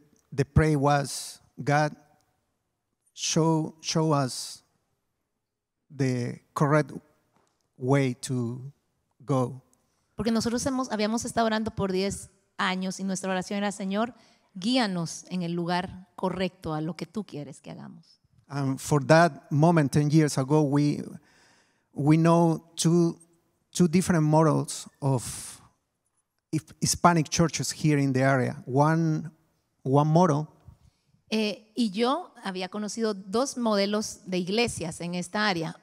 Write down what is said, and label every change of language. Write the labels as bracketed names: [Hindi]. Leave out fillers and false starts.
[English] The prayer was, God, show us the correct way to go. [Spanish] Porque nosotros habíamos estado orando por 10 años y nuestra oración era, Señor, guíanos en el lugar correcto a lo que tú quieres que hagamos. [English] And for that moment, 10 years ago, we know two different models of Hispanic churches here in the area. One model. [Spanish] Y yo había conocido dos modelos de iglesias en esta área.